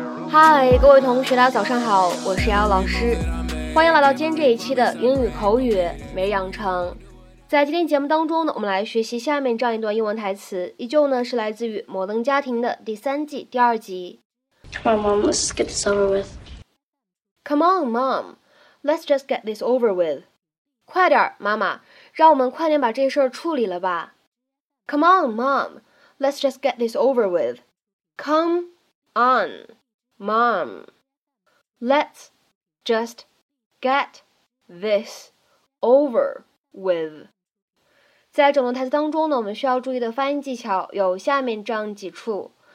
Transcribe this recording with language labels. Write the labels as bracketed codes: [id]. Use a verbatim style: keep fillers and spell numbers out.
[zh] 嗨，各位同学大家早上好，我是姚老师，欢迎来到今天这一期的英语口语每日养成。在今天节目当中呢，我们来学习下面这样一段英文台词，依旧呢是来自于《摩登家庭》的第三季第二集。 [en] Come on, mom, let's just get this over with. Come on, mom, let's just get this over with. [zh] 快点，妈妈，让我们快点把这事儿处理了吧。 [en] Come on, mom, let's just get this over with. Come on, mom, let's just get this over with. [zh] 在整个台词当中呢，我们需要注意的发音技巧有下面这样几处。